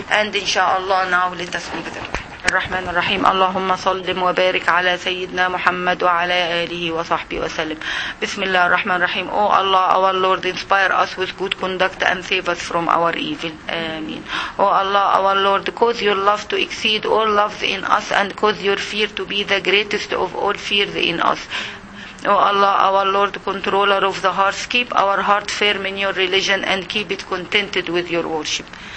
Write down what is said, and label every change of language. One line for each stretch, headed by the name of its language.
English: And inshaAllah now let us leave there.
Arabic: الرحمن الرحيم اللهم صلِّ وبارك على سيدنا محمد وعلى آله وصحبه وسلم. بسم الله الرحمن الرحيم.
English: Oh Allah, our Lord, inspire us with good conduct and save us from our evil. Amen. Oh Allah, our Lord, cause your love to exceed all loves in us, and cause your fear to be the greatest of all fears in us. O Allah, our Lord, controller of the hearts, keep our heart firm in your religion and keep it contented with your worship.